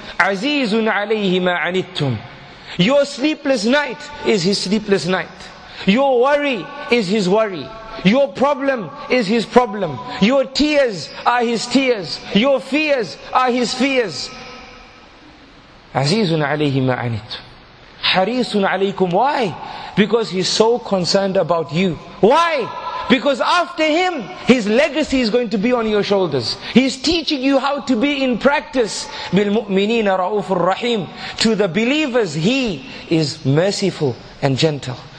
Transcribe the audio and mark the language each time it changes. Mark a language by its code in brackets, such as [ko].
[ar] عَزِيزٌ عَلَيْهِ مَا عَنِتُّمْ [en] Your sleepless night is his sleepless night. Your worry is his worry. Your problem is his problem. Your tears are his tears. Your fears are his fears. [ar] عَزِيزٌ عَلَيْهِ مَا عَنِتُمْ حَرِيصٌ عَلَيْكُمْ [en] Why? Because he's so concerned about you. Why? Because after him, his legacy is going to be on your shoulders. He's teaching you how to be in practice. [ar] بِالْمُؤْمِنِينَ رَعُوفٌ رَحِيمٌ [en] To the believers, he is merciful and gentle.